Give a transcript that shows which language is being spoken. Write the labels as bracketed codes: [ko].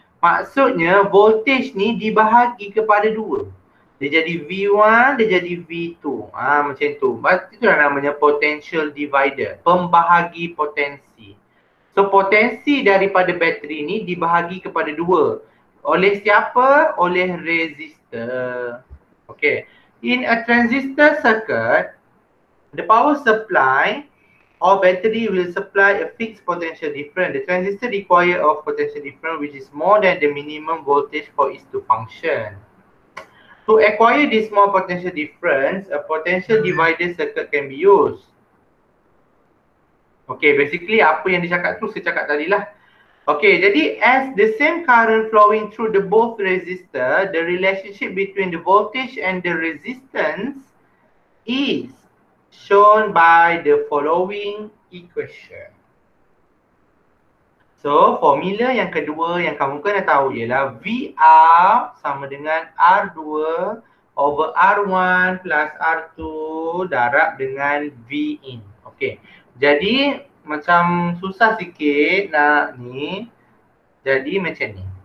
[ms] Maksudnya voltage ni dibahagi kepada dua. Dia jadi V1, dia jadi V2. Ah, macam tu. Itu yang namanya potential divider. Pembahagi potensi. So potensi daripada bateri ni dibahagi kepada dua. Oleh siapa? Oleh resistor. Okay. [en] In a transistor circuit, the power supply or battery will supply a fixed potential difference. The transistor require of potential difference which is more than the minimum voltage for it to function. To acquire this small potential difference, a potential divided circuit can be used. Okay, basically [ms] apa yang dia cakap tu saya cakap tadi lah. [en] Okay, jadi as the same current flowing through the both resistor, the relationship between the voltage and the resistance is shown by the following equation. [ms] So, formula yang kedua yang kamu kena tahu ialah VR sama dengan R2 over R1 plus R2 darab dengan Vin. Okay, jadi macam susah sikit nak ni. Jadi macam ni.